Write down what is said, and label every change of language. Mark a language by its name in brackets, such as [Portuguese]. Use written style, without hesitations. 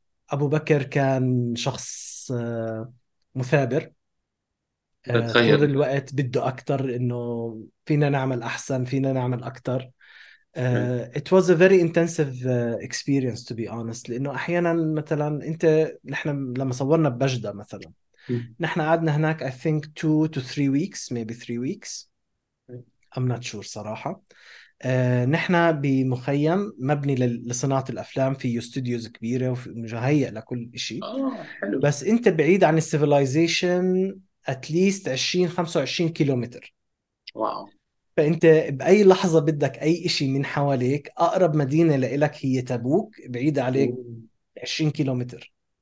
[Arabic] أبو بكر كان شخص مثابر طول الوقت بده أكتر، إنه فينا نعمل أحسن فينا نعمل أكتر. [English] It was a very intensive experience to be honest، [Arabic] لأنه أحيانا مثلا أنت نحن لما صورنا ببجدة مثلا نحن قعدنا هناك [English] I think 2 to 3 weeks maybe 3 weeks I'm not sure [Arabic] صراحة. نحن بمخيم مبني لصناعة الأفلام، فيه استوديوز كبيرة ومهيئ لكل شيء، بس أنت بعيد عن [English] civilization at least [Arabic] 20-25 كيلومتر. واو. فأنت بأي لحظة بدك أي إشي من حواليك، أقرب مدينة لإلك هي تبوك، بعيدة عليك 20 كيلومتر.